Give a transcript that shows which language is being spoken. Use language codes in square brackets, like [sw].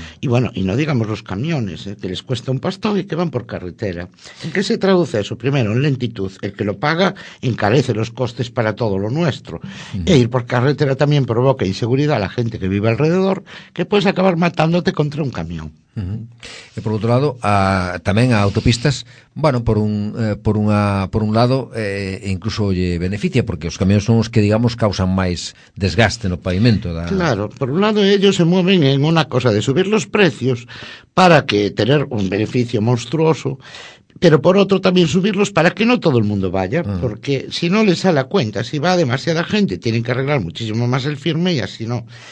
[es] Y bueno, y no digamos los camiones, que les cuesta un pastón y que van por carretera. ¿En qué se traduce eso? Primero, en lentitud. El que lo paga encarece los costes para todo lo nuestro. E ir por carretera también provoca inseguridad a la gente que vive alrededor, que puedes acabar matándote contra un camión. [gl] E por outro lado, tamén a autopistas, bueno, por un lado, incluso lle beneficia, porque os camións son os que, digamos, causan máis desgaste no pavimento da... [es] Claro, por un lado ellos se mueven en una cosa de subir los precios para que tener un beneficio monstruoso, pero por otro también subirlos para que no todo el mundo vaya, porque si no les sale a cuenta, si va demasiada gente, tienen que arreglar muchísimo más el firme y así no.